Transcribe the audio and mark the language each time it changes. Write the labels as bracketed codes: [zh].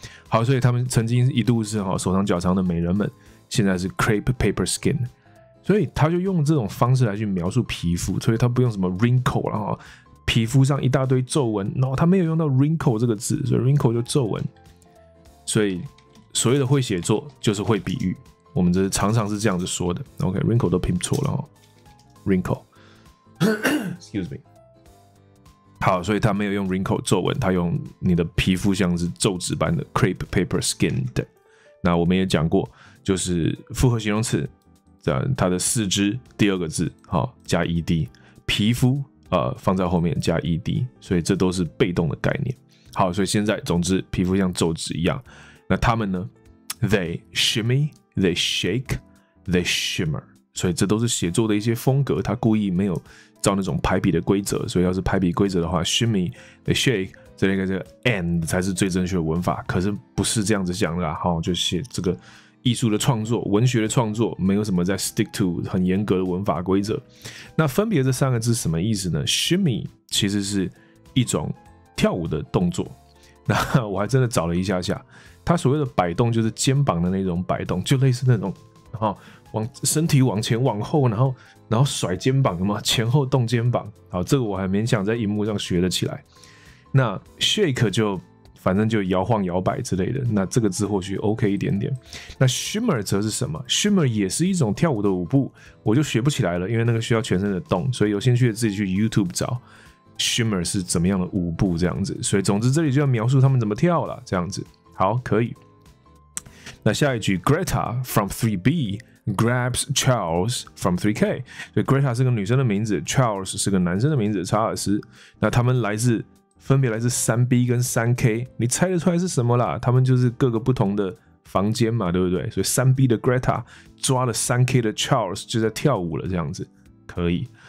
[zh] 好，所以他们曾经一度是手长脚长的美人们，现在是 [en] crepe paper skin。 [zh] 所以他就用这种方式来去描述皮肤，所以他不用什么 wrinkle 了哈，皮肤上一大堆皱纹，然后他没有用到 wrinkle 这个字，所以 wrinkle 就皱纹。所以所谓的会写作就是会比喻，我们这常常是这样子说的。 OK， wrinkle 都拼错了哈， wrinkle， [en] excuse me。 [zh] 好，所以他没有用 wrinkle 皱纹，他用你的皮肤像是皱纸般的 [en] crepe paper skin [zh] 的。那我们也讲过，就是复合形容词。它的四肢第二个字好加 ed， 皮肤放在后面加 ed， 所以这都是被动的概念。好，所以现在总之皮肤像皱纸一样。那他们呢 [en] ？They shimmy, they shake, they shimmer。 [zh] 所以这都是写作的一些风格，他故意没有照那种排比的规则。所以要是排比规则的话 ， [en] shimmy, they shake [zh] 这个 and 才是最正确的文法。可是不是这样子讲的啦，好，就写这个。艺术的创作，文学的创作，没有什么在 stick to 很严格的文法规则。那分别这三个字什么意思呢 ？Shimmy 其实是一种跳舞的动作。那我还真的找了一下下，它所谓的摆动就是肩膀的那种摆动，就类似那种，然后往身体往前往后，然后甩肩膀的嘛，前后动肩膀。好，这个我还勉强在荧幕上学了起来。那 shake 就。反正就摇晃摇摆之类的，那这个字或许 OK 一点点。那 shimmer 则是什么 ？shimmer 也是一种跳舞的舞步，我就学不起来了，因为那个需要全身的动，所以有兴趣的自己去 YouTube 找 shimmer 是怎么样的舞步这样子。所以总之这里就要描述他们怎么跳了这样子。好，可以。那下一句 [en] ，Greta from 3B grabs Charles from 3K。 [zh] 所以 Greta 是个女生的名字 ，Charles 是个男生的名字，查尔斯。那他们来自。分别来自 3B 跟 3K， 你猜得出来是什么啦？他们就是各个不同的房间嘛，对不对？所以 3B 的 Greta 抓了 3K 的 Charles 就在跳舞了，这样子可以。